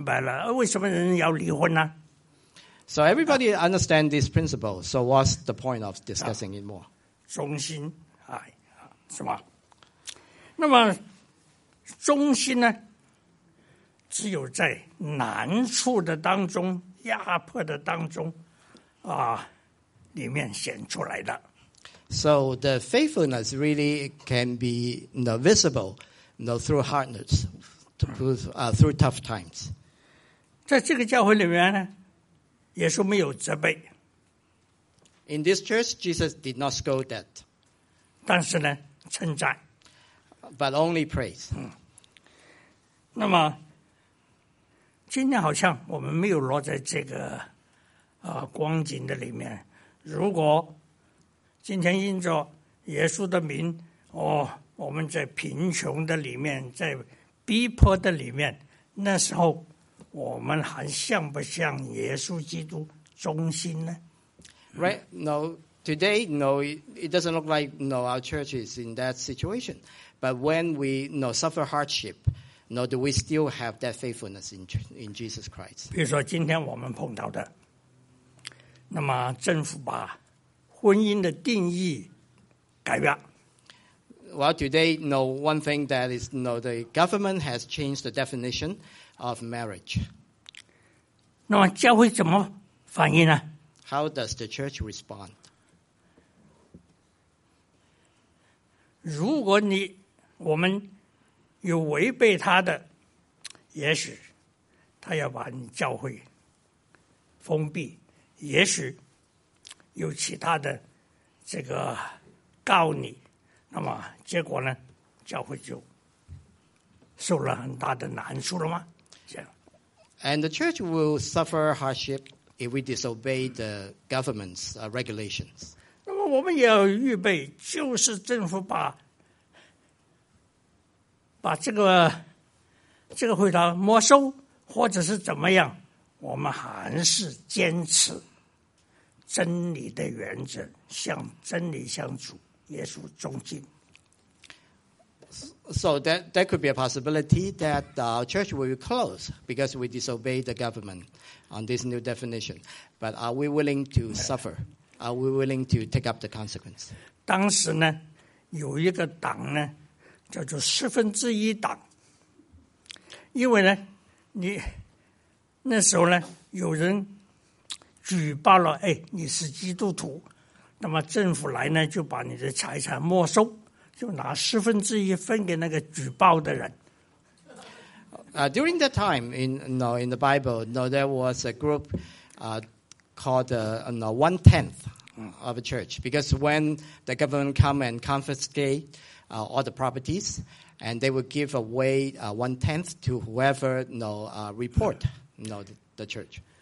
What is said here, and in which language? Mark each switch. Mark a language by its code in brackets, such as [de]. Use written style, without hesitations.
[zh] 都很明白了,为什么人要离婚呢? [en] So everybody understand this principle. So what's the point of discussing it more? [zh] 忠心,是吧? 那么忠心呢, 只有在难处的当中,压迫的当中,里面显出来的。 [en] So the faithfulness really can be, you know, visible, you know, through hardness, through tough times. [zh] 在这个教会里面呢, 耶稣没有责备。 [en] In this church, Jesus did not scold that. [zh] 但是呢, 称赞。 [en] But only praise. [zh] 那么, 今天好像我们没有落在这个, 光景的里面, 如果, 今天因着耶稣的名, 哦, 我们在贫穷的里面, 在逼迫的里面, 那时候, 我们还像不像耶稣基督忠心呢? [en] Right, no, today, no, it doesn't look like, no, our church is in that situation. But when we, no, suffer hardship, no, do we still have that faithfulness in Jesus Christ? [zh] 比如说今天我们碰到的, 那么政府吧, 婚姻的定义改变。 [en] Well, today, no, one thing that is, no, the government has changed the definition of marriage. [zh] 那么教会怎么反应呢？ [en] How does the church respond? [zh] 如果你我们有违背他的，也许他要把你教会封闭，也许有其他的这个告你，那么结果呢，教会就受了很大的难处了吗？这样。 [en] And the church will suffer hardship if we disobey the government's regulations. [zh] 那么我们也要预备，就是政府把这个会堂没收，或者是怎么样，我们还是坚持真理的原则，向真理向主耶稣忠心。 [en] So that could be a possibility that our church will be closed because we disobey the government on this new definition. But are we willing to suffer? Are we willing to take up the consequence? [zh] 当时呢，有一个党呢，叫做十分之一党。因为呢，你那时候呢，有人举报了，哎，你是基督徒，那么政府来呢，就把你的财产没收。就拿十分之一分给那个举报的人。 [en] During that time, in the Bible, there was a group called one tenth of a church. Because when the government come and confiscate all the properties, and they would give away one tenth to whoever report the church.